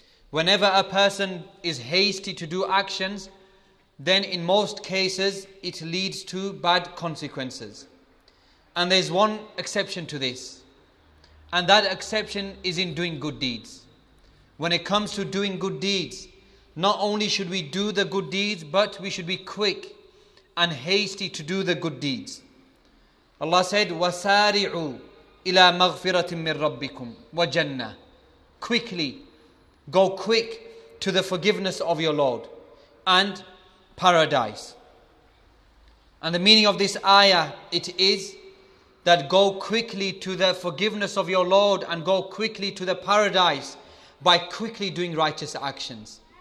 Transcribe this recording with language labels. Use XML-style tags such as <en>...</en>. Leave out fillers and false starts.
<en>Whenever a person is hasty to do actions, then in most cases it leads to bad consequences. And there's one exception to this, and that exception is in doing good deeds. When it comes to doing good deeds, not only should we do the good deeds, but we should be quick and hasty to do the good deeds.</en> <ar>Allah said, وَسَارِعُوا إِلَىٰ مَغْفِرَةٍ مِّن رَبِّكُمْ وَجَنَّةٍ.</ar> <en>Quickly, go quick to the forgiveness of your Lord and paradise. And the meaning of this ayah, it is that go quickly to the forgiveness of your Lord and go quickly to the paradise by quickly doing righteous actions.</en>